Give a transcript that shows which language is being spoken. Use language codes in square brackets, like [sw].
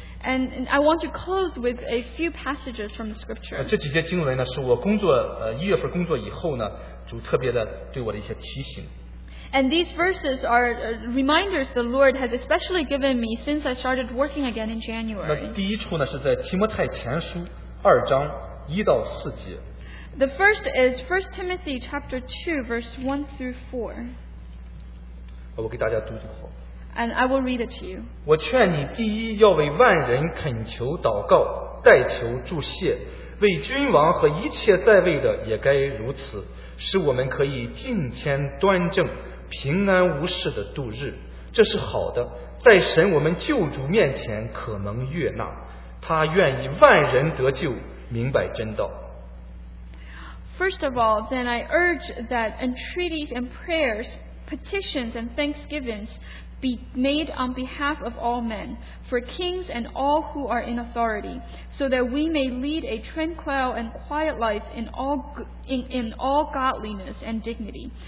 [en] And I want to close with a few passages from the scripture. [zh] 这几节经文呢，是我工作一月份工作以后呢，主特别的对我的一些提醒。 [en] And these verses are reminders the Lord has especially given me since I started working again in January. [zh] 那第一处呢是在提摩太前书二章一到四节。 [en] The first is 1 Timothy chapter 2 verse 1 through 4. [zh] 我给大家读读好。 [en] And I will read it to you. [zh] 我劝你第一要为万人恳求祷告，代求祝谢，为君王和一切在位的也该如此，使我们可以敬虔端正，平安无事的度日，这是好的，在神我们救主面前可能悦纳，他愿意万人得救，明白真道。 [en] First of all, then I urge that entreaties and prayers, petitions and thanksgivings be made on behalf of all men, for kings and all who are in authority, so that we may lead a tranquil and quiet life in all godliness and dignity.